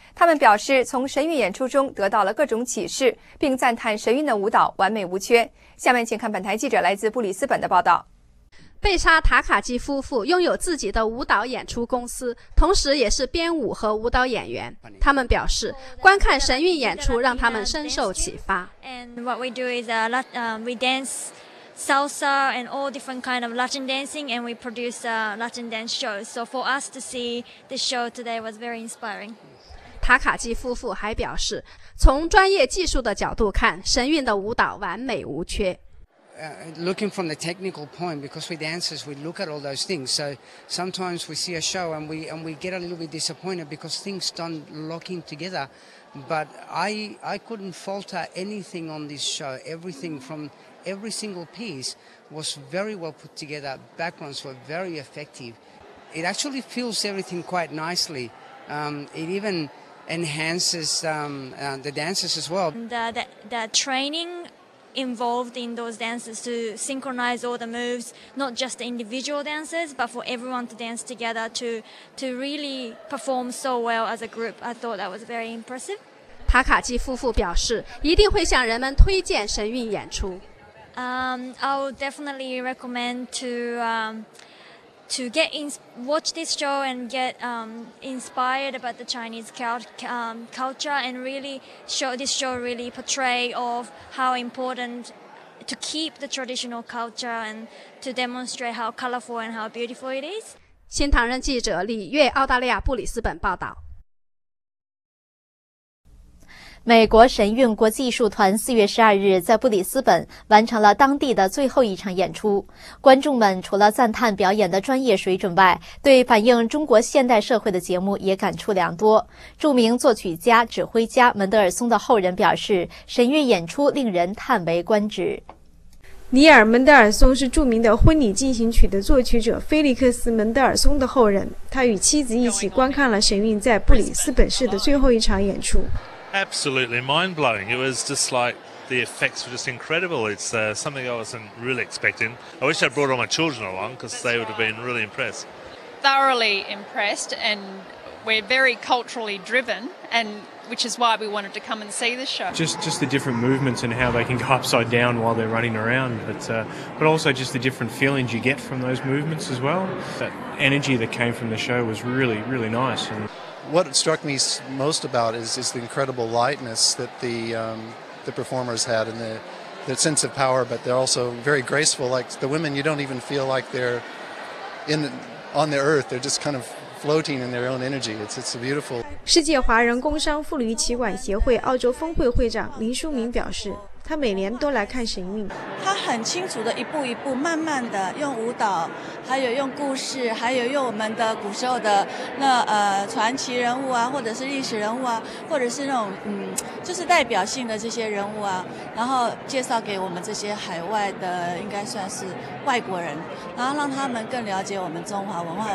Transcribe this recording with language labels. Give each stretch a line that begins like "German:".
Chinese: 他们表示，从神韵演出中得到了各种启示，并赞叹神韵的舞蹈完美无缺。下面请看本台记者来自布里斯本的报道。贝莎·塔卡基夫妇拥有自己的舞蹈演出公司，同时也是编舞和舞蹈演员。他们表示，观看神韵演出让他们深受启发。
English: And what we do is a lot, we dance salsa and all different kind of Latin dancing, and we produce a Latin dance show. So for us to see the show today was very inspiring.
Chinese: 塔卡基夫妇还表示，从专业技术的角度看，神韵的舞蹈完美无缺。
English: Looking from the technical point, because we dancers, we look at all those things. So sometimes we see a show and we get a little bit disappointed because things don't lock in together. But I couldn't falter anything on this show. Everything from every single piece was very well put together. Backgrounds were very effective. It actually fills everything quite nicely. It even enhances the dancers as well. The training... involved in those dances to synchronize all the moves, not just the individual dances, but for everyone to dance together to really perform so well as a group. I thought that was very impressive.
Chinese: 塔卡基夫妇表示，一定会向人们推荐神韵演出。
English: I'll definitely recommend to get watch this show and get inspired about the Chinese culture and really show this show really portray of how important to keep the traditional culture and to demonstrate how colorful and how beautiful it is.
Chinese: 新唐人记者李月，澳大利亚布里斯本报道。美国神韵国际艺术团4月12日在布里斯本完成了当地的最后一场演出。观众们除了赞叹表演的专业水准外，对反映中国现代社会的节目也感触良多。著名作曲家、指挥家门德尔松的后人表示，神韵演出令人叹为观止。尼尔·门德尔松是著名的婚礼进行曲的作曲者菲利克斯·门德尔松的后人，他与妻子一起观看了神韵在布里斯本市的最后一场演出。
English: Absolutely mind-blowing. It was just like the effects were just incredible. It's something I wasn't really expecting. I wish I brought all my children along because they would have been really impressed. Thoroughly impressed, and we're very culturally driven, and which is why we wanted to come and see the show. Just the different movements and how they can go upside down while they're running around, but also just the different feelings you get from those movements as well. That energy that came from the show was really, really nice. And, What struck me most about is the incredible lightness that the performers had and the sense of power, but they're also very graceful. Like the women, you don't even feel like they're on the earth. They're just kind of floating in their own energy. It's beautiful.
Chinese: 世界华人工商妇女企管协会澳洲峰会会长林淑明表示，他每年都来看神韵。他很清楚的一步一步慢慢的用舞蹈，还有用故事，还有用我们的古时候的那传奇人物啊，或者是历史人物啊，或者是那种就是代表性的这些人物啊，然后介绍给我们这些海外的应该算是外国人，然后让他们更了解我们中华文化。